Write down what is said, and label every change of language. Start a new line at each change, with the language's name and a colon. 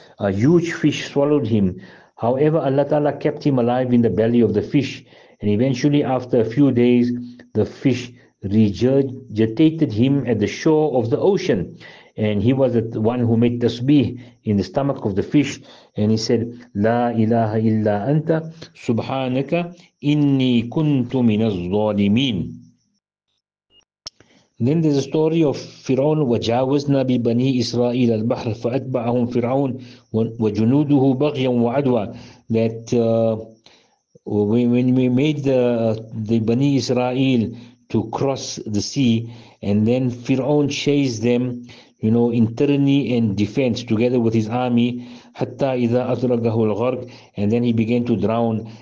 English: A huge fish swallowed him. However, Allah Ta'ala kept him alive in the belly of the fish, and eventually after a few days, the fish regurgitated him at the shore of the ocean, and he was the one who made tasbih in the stomach of the fish, and he said,
Arabic: La ilaha illa anta subhanaka inni kuntu minaz zalimin.
English: Then there's a story of Fir'aun,
Arabic: وَجَاوَزْنَا بِبَنِي إِسْرَائِيلَ الْبَحْرَ فَأَتْبَعَهُمْ فِرْعَوْنُ وَجُنُودُهُ بَغْيًا وَعَدْوًا.
English: That when we made the Bani Israel to cross the sea, and then Fir'aun chased them, you know, in tyranny and defense together with his army,
Arabic: حَتَّى إِذَا أَدْرَكَهُ الْغَرْقُ,
English: and then he began to drown.